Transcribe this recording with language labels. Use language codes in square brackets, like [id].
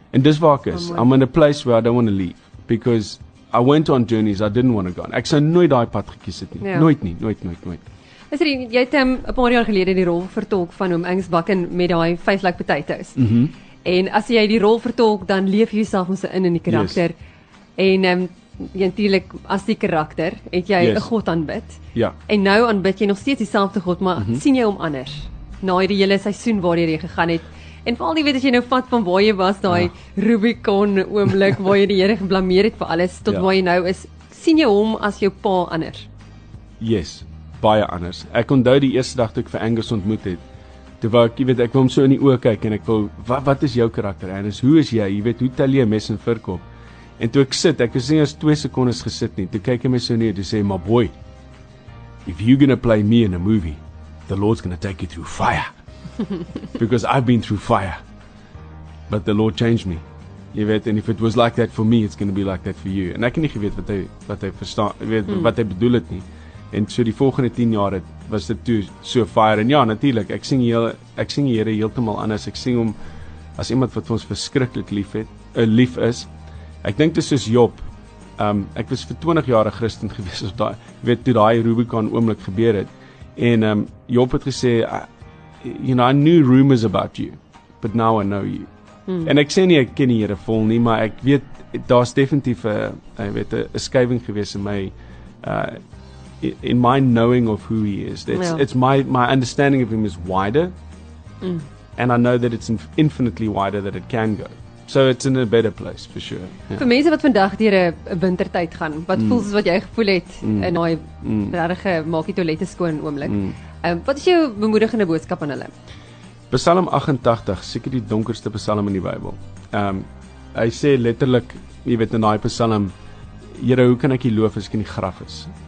[en] And [af] dis waar ek is, [en] I'm in a place where I don't want to leave, because I went on journeys I didn't want to go on. [af] Ek sou nooit daai pad gekies het nie. [en] Yeah. [af] Nooit. Is dit, jy het 'n paar jaar gelede die rol vertolk van hom Ings Bakken met daai Five Like Potatoes. Mhm. En as jy die rol vertolk, dan leef jy self ons in die karakter. [en] Yes. [af] En natuurlik as die karakter het jy 'n God aanbid. Ja. En nou aanbid jy nog steeds dieselfde God, maar sien jy hom anders na hierdie hele seisoen waardeur jy gegaan het? En veral jy weet as jy nou vat van waar jy was, daai Rubicon oomblik waar jy die Here geblameer het vir alles tot waar jy nou is, sien jy hom as jou pa anders? Yes, baie anders. Ek onthou die eerste dag toe ek vir Angus ontmoet het. Toe wou ek, jy weet, ek wil hom so in die oë kyk en ek wil, wat is jou karakter? En hoe is jy? Jy weet, hoe tel jy 'n mes en vork op? En toe ek sit, ek was nie eens 2 sekondes gesit nie, toe kyk hy my so neer, toe sê, [en] my boy, if you're gonna play me in a movie, the Lord's gonna take you through fire. Because I've been through fire. But the Lord changed me. [af] Jy weet, [en] and if it was like that for me, it's gonna be like that for you. [af] En ek het nie geweet wat hy verstaan, weet, wat hy bedoel het nie. En so die volgende 10 jaar het, was dit toe so fire. En ja, natuurlik, ek sien die Here heeltemal anders. Ek sien hom as iemand wat vir ons verskriklik lief het, lief is. Ek dink dit is soos Job. Ek was vir 20 jaar 'n Christen gewees op daai, weet toe daai Rubicon oomblik gebeur het. En Job het gesê, [en] you know, I knew rumors about you, but now I know you. [af] En ek sê nie ek ken die Here vol nie, maar ek weet daar's definitief 'n skuiwing gewees [en] in my in my knowing of who he is. It's my understanding of him is wider. And I know that it's infinitely wider that it can go. So it's in a better place for sure. Yeah. [af] Vir mense wat vandag deur 'n wintertyd gaan, wat voel soos wat jy gevoel het in daai regte maak die toilette skoon oomblik. Wat is jou bemoedigende boodskap aan hulle? Psalm 88, seker die donkerste psalm in die Bybel. Hy sê letterlik, jy weet in daai psalm, Here, hoe kan ek U loof as ek in die graf is?